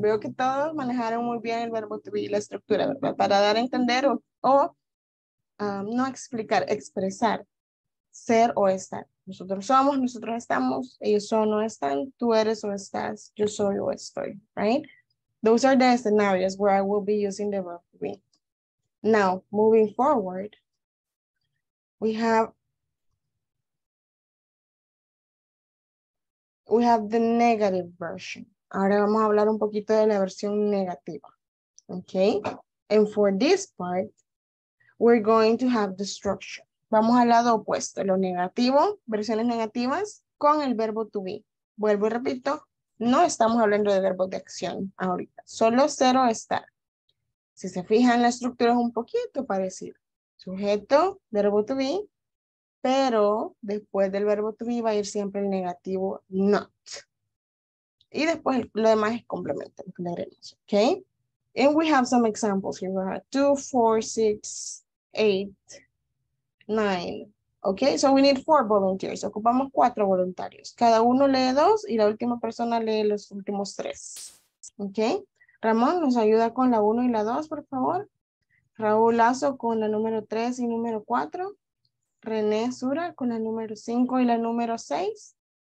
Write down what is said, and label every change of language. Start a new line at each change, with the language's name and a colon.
Spanish: Veo que todos manejaron muy bien el verbo to be y la estructura, ¿verdad? Para dar a entender o no explicar, expresar, ser o estar. Nosotros somos, nosotros estamos, ellos son o están, tú eres o estás, yo soy o estoy, right?
English: Those are the scenarios where I will be using the verb to be. Now, moving forward, we have the negative version.
Spanish: Ahora vamos a hablar un poquito de la versión negativa, okay?
English: And for this part, we're going to have the structure.
Spanish: Vamos al lado opuesto, lo negativo, versiones negativas con el verbo to be. Vuelvo y repito, no estamos hablando de verbos de acción ahorita, solo ser o estar. Si se fijan, la estructura es un poquito parecida. Sujeto, verbo to be, pero después del verbo to be va a ir siempre el negativo not. Y después lo demás es complemento, lo que le haremos, ¿ok?
English: And we have some examples here. We have 2, 4, 6, 8, 9. ¿Ok? So we need 4 volunteers.
Spanish: Ocupamos 4 voluntarios. Cada uno lee 2 y la última persona lee los últimos 3. ¿Ok? Ramón, ¿nos ayuda con la 1 y la 2, por favor? Raúl Lazo con la número 3 y número 4. René Sura con la número 5 y la número 6.